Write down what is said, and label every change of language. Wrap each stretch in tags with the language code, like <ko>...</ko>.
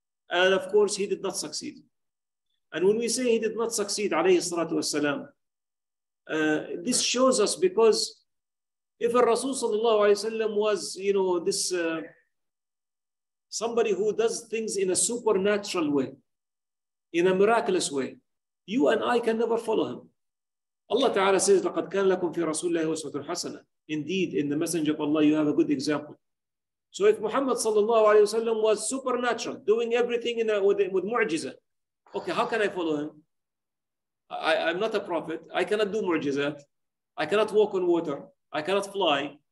<en>And of course, he did not succeed. And when we say he did not succeed, alayhi salatu wasalam, this shows us because if a Rasul sallallahu alayhi wa sallam was, you know, this somebody who does things in a supernatural way, in a miraculous way, you and I can never follow him. Allah Ta'ala says,</en> <ar>لَقَدْ كَانَ لَكُمْ فِي رَسُولِ اللَّهِ وَسْوَةٌ حَسَنَةٌ.</ar> <en>Indeed, in the Messenger of Allah, you have a good example. So if Muhammad sallallahu alayhi wa sallam was supernatural, doing everything with mu'jiza, okay, how can I follow him? I'm not a prophet. I cannot do mu'jizat. I cannot walk on water. I cannot fly.</en>